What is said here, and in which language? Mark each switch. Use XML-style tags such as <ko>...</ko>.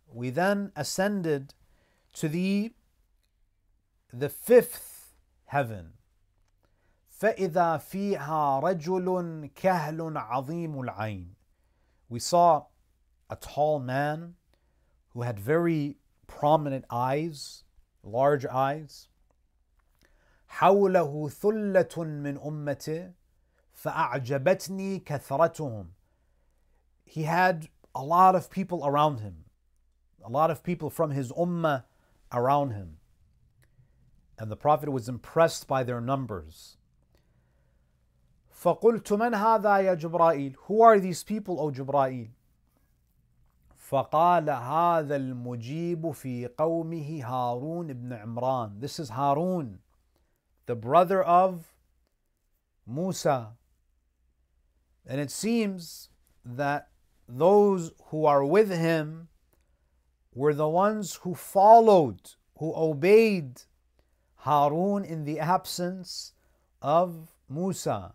<en>We then ascended to the fifth heaven.</en> <ar>فَإِذَا فِيهَا رَجُلٌ كَهْلٌ عَظِيمُ الْعَيْنِ.</ar> <en>We saw a tall man who had very prominent eyes, large eyes.</en> <ar>حوله ثلة من أمته فأعجبتني كثرتهم.</ar> <en>He had a lot of people around him, a lot of people from his ummah around him, and the Prophet was impressed by their numbers.</en> <ar>فقلت من هذا يا جبرائيل.</ar> <en>Who are these people, O جبرائيل?</en> <ar>فقال هذا المجيب في قومه هارون بن عمران.</ar> <en>This is Harun, the brother of Musa. And it seems that those who are with him were the ones who followed, who obeyed Harun in the absence of Musa.</en>